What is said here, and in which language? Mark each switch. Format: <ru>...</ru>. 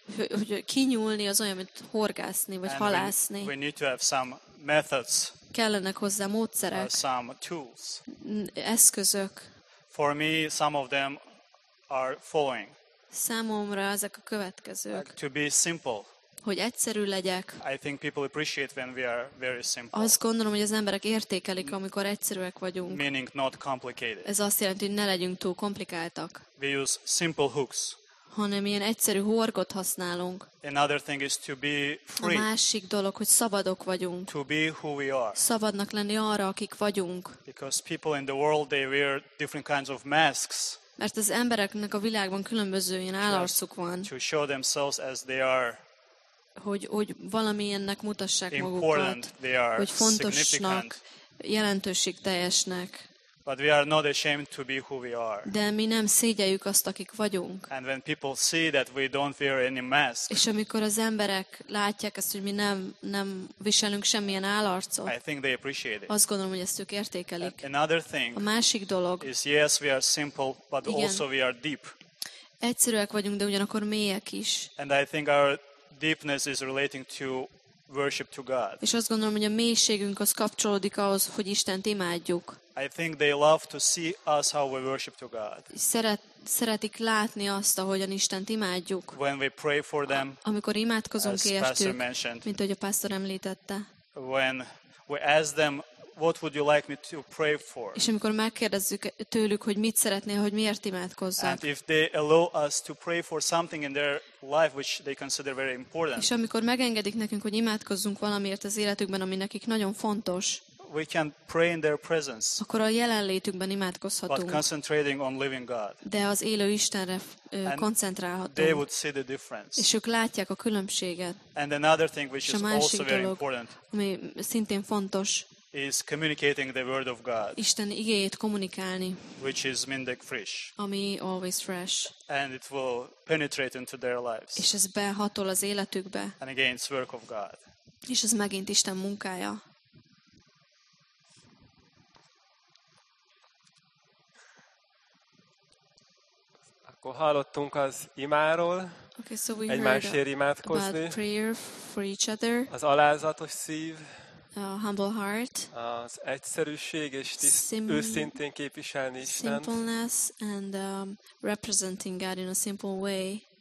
<hu>Hogy kinyúlni az olyan, mint horgászni vagy</hu> <en>and</en> <hu>halászni.</hu> <en>We need to have some methods.</en> <hu>Kellenek hozzá módszerek.</hu> <en>Some tools.</en> <hu>Eszközök.</hu> <en>For me, some of them are following.</en> <hu>Számomra ezek a következők.</hu> <en>Like to be simple.</en> <hu>Hogy egyszerű legyek.</hu> <en>I think people appreciate when we are very simple.</en> <hu>Azt gondolom, hogy az emberek értékelik, amikor egyszerűek vagyunk.</hu> <en>Meaning not complicated.</en> <hu>Ez azt jelenti, hogy ne legyünk túl komplikáltak.</hu> <en>We use simple hooks.</en> <hu>Hanem ilyen egyszerű horgot használunk.</hu> <en>Another thing is to be free.</en> <hu>A másik dolog, hogy szabadok vagyunk.</hu> <en>To be who we are.</en> <hu>Szabadnak lenni arra, akik vagyunk.</hu> <en>Because people in the world they wear different kinds of masks.</en> <hu>Mert az embereknek a világban különböző ilyen állarcuk van.</hu> <en>To show themselves as they are.</en> <hu>hogy valamilyennek mutassák magukat, hogy fontosnak, jelentőségteljesnek.</hu> <en>But we are not ashamed to be who we are.</en> <hu>De mi nem szégyeljük azt, akik vagyunk.</hu> <en>And when people see that we don't wear any mask.</en> <hu>És amikor az emberek látják ezt, hogy mi nem viselünk semmilyen álarcot.</hu> <en>I think they appreciate it.</en> <hu>Azt gondolom, hogy ezt ők értékelik.</hu> <en>Another thing.</en> <hu>A másik dolog.</hu> <en>Is yes, we are simple, but</en> <hu>igen,</hu> <en>also we are deep.</en> <hu>Egyszerűek vagyunk, de ugyanakkor mélyek is.</hu> <en>And I think our deepness is relating to worship to God.</en> <hu>És azt gondolom, hogy a mélységünk az kapcsolódik ahhoz, hogy Istent imádjuk.</hu> <en>I think they love to see us how we worship to God.</en> <hu>Szeretik látni azt, ahogyan Istent imádjuk.</hu> <en>When we pray for them.</en> <hu>Amikor imádkozunk értük, mint ahogy a pásztor említette.</hu> <en>When we ask them, what would you like me to pray for?</en> <hu>És amikor megkérdezzük tőlük, hogy mit szeretné, hogy miért imádkozzak.</hu> <en>And if they allow us to pray for something in their life which they consider very important.</en> <hu>És amikor megengedik nekünk, hogy imádkozzunk valamiért az életükben, ami nekik nagyon fontos.</hu> <en>We can pray in their presence.</en> <hu>Akkor a jelenlétükben imádkozhatunk.</hu> <en>But concentrating on living God.</en> <hu>De az élő Istenre koncentrálhatunk.</hu> <en>They would see the difference.</en> <hu>És ők látják a különbséget.</hu> <en>And another thing which is also</en> <hu>dolog,</hu> <en>very important.</en> <hu>Ami szintén fontos.</hu> <en>Is communicating the word of God.</en> <hu>Isten igéjét kommunikálni.</hu> <en>Which is</en> <hu>mindig friss. Ami</hu> <en>always fresh. And it will penetrate into their lives.</en> <hu>És ez behatol az életükbe.</hu> <en>And again, it's work of God.</en> <hu>És ez megint Isten munkája. Akkor hallottunk az imáról.</hu> <en>Okay, so we</en> <hu>egymásért</hu> <en>heard</en> <hu>imádkozni.</hu> <en>About prayer for each other.</en> <hu>Az alázatos szív.</hu> <en>A humble heart.</en> <hu>Az egyszerűség és őszintén képviselni Istent.</hu> <en>Simpleness and representing God in a simple way.</en>